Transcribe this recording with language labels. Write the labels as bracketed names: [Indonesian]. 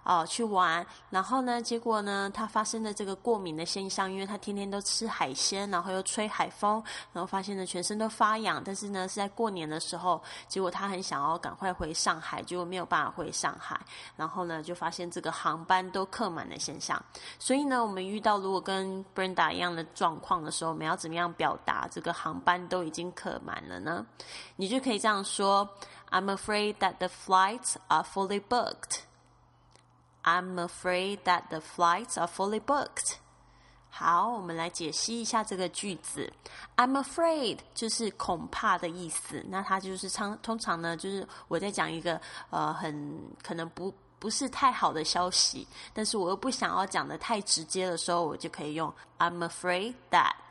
[Chinese] 去玩，然后呢结果呢他发生了这个过敏的现象，因为他天天都吃海鲜，然后又吹海风，然后发现呢全身都发痒，但是呢是在过年的时候，结果他很想要赶快回上海，结果没有办法回上海，然后呢就发现这个航班都客满的现象。所以呢我们遇到如果跟 Brenda 一样的状况的时候，我们要怎么样表达这个航班都已经客满了呢？你就可以这样说， [English] I'm afraid that the flights are fully bookedI'm afraid that the flights are fully booked. [Chinese] 好，我们来解析一下这个句子。 [English] I'm afraid [Chinese] 就是恐怕的意思。那它就是通常呢，就是我在讲一个很可能不是太好的消息，但是我又不想要讲的太直接的时候，我就可以用 [English] I'm afraid that。